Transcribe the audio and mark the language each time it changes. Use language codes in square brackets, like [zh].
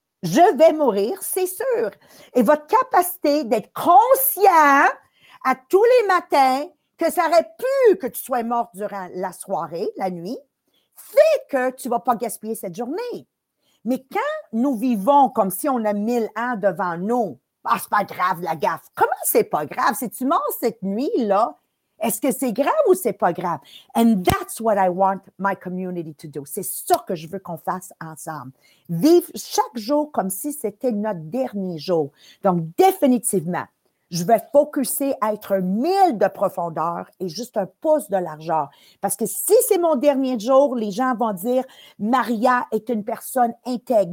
[fr] Je vais mourir, c'est sûr. Et votre capacité d'être conscient à tous les matins que ça aurait pu que tu sois mort durant la soirée, la nuit, fait que tu ne vas pas gaspiller cette journée. Mais quand nous vivons comme si on a 1000 ans devant nous, ah, c'est pas grave, la gaffe. Comment c'est pas grave? Si tu mens cette nuit-là, est-ce que c'est grave ou c'est pas grave? [en] And that's what I want my community to do. [fr] C'est ça que je veux qu'on fasse ensemble. Vivre chaque jour comme si c'était notre dernier jour. Donc, définitivement, je vais focusser à être 1000 de profondeur et juste un pouce de largeur. Parce que si c'est mon dernier jour, les gens vont dire, Maria est une personne intègre.